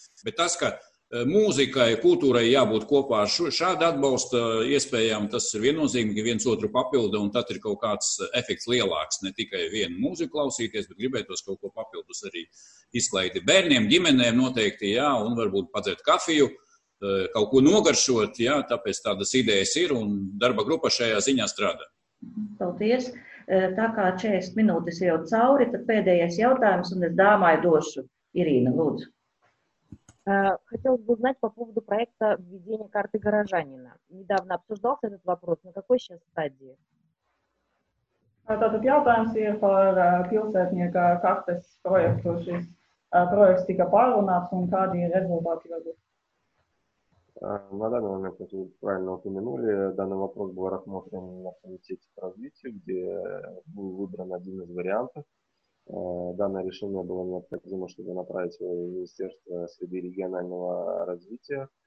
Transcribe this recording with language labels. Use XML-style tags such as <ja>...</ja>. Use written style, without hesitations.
<lv>Bet tas, ka mūzikai, kultūrai jābūt kopā ar šādu atbalsta iespējām, tas ir viennozīmīgi viens otru papilda, un tad ir kaut kāds efekts lielāks, ne tikai vienu mūziku klausīties, bet gribētos kaut ko papildus arī izklaidi bērniem, ģimenēm noteikti, jā, un varbūt padzēt kafiju, kaut ko nogaršot, jā, tāpēc tādas idejas ir, un darba grupa šajā ziņā strādā. Paldies. Tā kā 40 minūtes jau cauri, tad pēdējais jautājums, un es dāmai došu Irīna Lūdzu.</lv> <ru>Хотелось бы узнать по поводу проекта введения карты горожанина. Недавно обсуждался этот вопрос. На какой сейчас стадии?</ru> <lv>Tātad jautājums ir par pilsētnieka kartes projektu. Šis projekts tika pārunāts un kādi ir rezultāti varbūt?</lv> <ru>На данный момент, как вы правильно упомянули, данный вопрос был рассмотрен на комитете по развитию, где был выбран один из вариантов. Данное решение было необходимо, чтобы направить его в Министерство среды регионального развития.</ru>